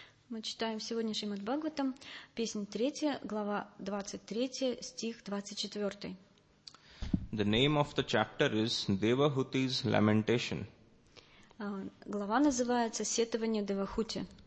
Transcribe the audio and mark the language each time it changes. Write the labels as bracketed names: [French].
[Russian] Мы читаем сегодня Шримад Бхагаватам, Песнь 3, глава 23, стих 24. [English] The name of the chapter is Devahuti's Lamentation. [Russian] Глава называется Сетование Девахути.